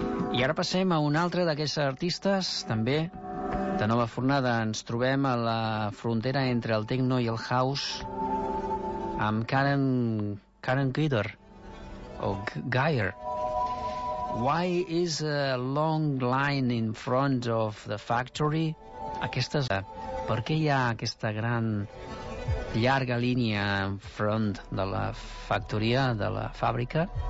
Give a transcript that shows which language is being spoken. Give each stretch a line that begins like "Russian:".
Catalan: I ara passem a un altre d'aquests artistes, també de nova fornada. Ens trobem a la frontera entre el techno i el house amb Karen Gider, o Geyer.
English: Why is a long line in front of the factory?
Catalan: Aquesta és la... Per què hi ha aquesta gran, llarga línia en front de la factoria, de la fàbrica?